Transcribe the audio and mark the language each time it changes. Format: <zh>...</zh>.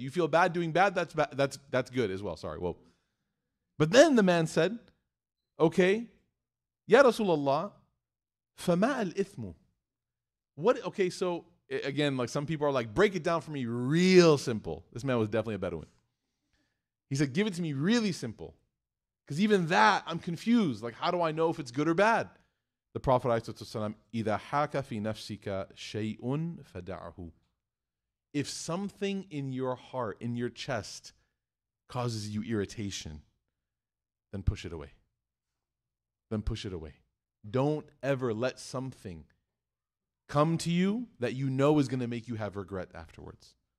<en>You feel bad doing bad, that's good as well. Sorry, whoa. But then the man said, okay,</en> <ar>يَا رَسُولَ اللَّهِ فَمَا الْإِثْمُ.</ar> <en>What? Okay, so again, like some people are like, break it down for me real simple. This man was definitely a Bedouin. He said, give it to me really simple. Because even that, I'm confused. Like, how do I know if it's good or bad? The Prophet ﷺ,</en> <ar>إِذَا حَاكَ فِي نَفْسِكَ شَيْءٌ فَدَعْهُ.</ar> <en>If something in your heart, in your chest, causes you irritation, then push it away. Then push it away. Don't ever let something come to you that you know is going to make you have regret afterwards.</en>